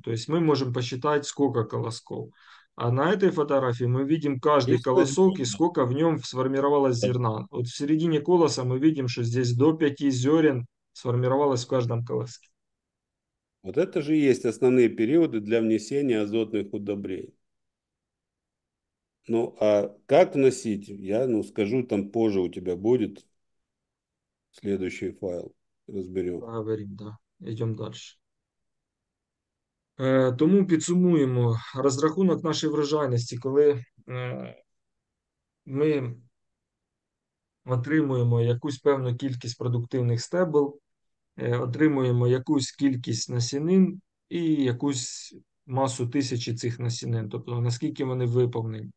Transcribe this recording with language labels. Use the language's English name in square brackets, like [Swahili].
[Ukrainian] Тобто ми можемо посчитати, скільки колосків. А на цій фотографії ми бачимо кожен колосок і скільки в ньому сформувалося зерна. От в середині колоса ми бачимо, що здесь до 5 зерен сформувалося в кожному колоску. [Russian] Вот это же и есть основные периоды для внесения азотных удобрений. Ну, а как вносить, я, ну, скажу, там позже у тебя будет следующий файл, разберем. [Ukrainian] Поговоримо, да. Йдемо далі. Тому підсумуємо розрахунок нашої врожайності, коли ми отримуємо якусь певну кількість продуктивних стебел, отримуємо якусь кількість насінин і якусь масу тисячі цих насінин, тобто наскільки вони виповнені.